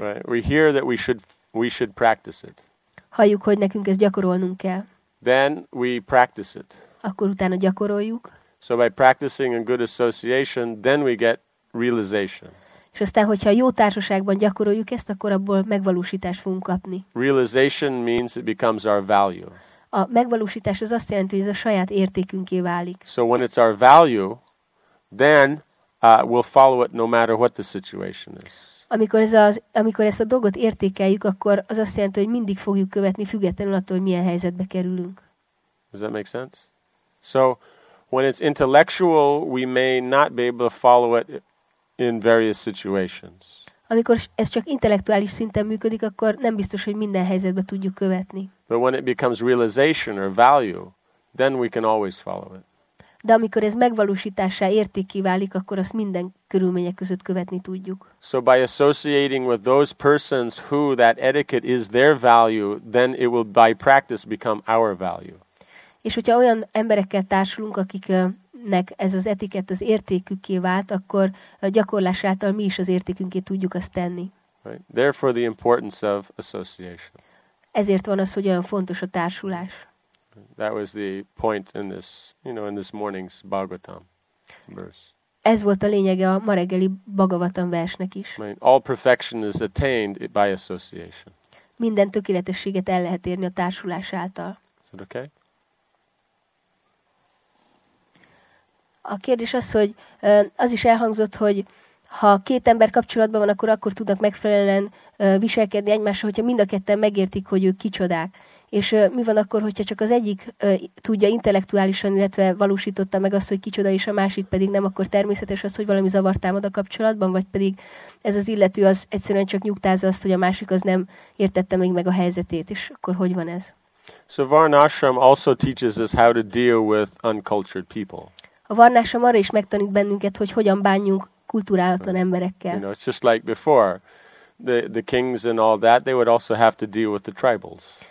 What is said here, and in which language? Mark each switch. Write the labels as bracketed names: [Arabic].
[English] Right. We hear that we should practice it. [Hungarian] Halljuk, hogy nekünk ezt gyakorolnunk kell. [English] Then we practice it. [Hungarian] Akkor utána gyakoroljuk. [English] So by practicing in good association, then we get realization. [Hungarian] És aztán, hogyha jó társaságban gyakoroljuk ezt, akkor abból megvalósítást fogunk kapni. [English] Realization means it becomes our value. [Hungarian] A megvalósítás az azt jelenti, hogy ez a saját értékünké válik. [English] So when it's our value, then we'll follow it no matter what the situation is. [Hungarian] Amikor ezt a dolgot értékeljük, akkor az azt jelenti, hogy mindig fogjuk követni, függetlenül attól, hogy milyen helyzetbe kerülünk. [English] Does that make sense? So when it's intellectual, we may not be able to follow it in various situations. [Hungarian] Amikor ez csak intellektuális szinten működik, akkor nem biztos, hogy minden helyzetben tudjuk követni. [English] But when it becomes realization or value, then we can always follow it. [Hungarian] De amikor ez megvalósítássá értékké válik, akkor azt minden körülmények között követni tudjuk. [English] So by associating with those persons who that etiquette is their value, then it will by practice become our value. [Hungarian] És hogyha olyan emberekkel társulunk, akiknek ez az etikett az értékükké vált, akkor a gyakorlás által mi is az értékünkét tudjuk azt tenni. [English] Right. Therefore the importance of association. [Hungarian] Ezért van az, hogy olyan fontos a társulás. [English] That was the point in this, you know, in this morning's Bhagavatam verse. [Hungarian] Ez volt a lényege a ma reggeli Bhagavatam versnek is. [English] Right. All perfection is attained by association. [Hungarian] Minden tökéletességet el lehet érni a társulás által. [English] Is that okay? [Hungarian] A kérdés az, hogy az is elhangzott, hogy ha két ember kapcsolatban van, akkor tudnak megfelelően viselkedni egymással, hogyha mind a ketten megértik, hogy ők kicsodák. És mi van akkor, hogyha csak az egyik tudja intellektuálisan, illetve valósította meg azt, hogy kicsoda, és a másik pedig nem, akkor természetes az, hogy valami zavar támad a kapcsolatban, vagy pedig ez az illető az egyszerűen csak nyugtázza azt, hogy a másik az nem értette még meg a helyzetét, és akkor hogy van ez? [English] So Varnashram also teaches us how to deal with uncultured people. [Hungarian] A Varnashram arra is megtanít bennünket, hogy hogyan bánjunk kulturálatlan emberekkel. [English] You know, it's just like before, the kings and all that, they would also have to deal with the tribals.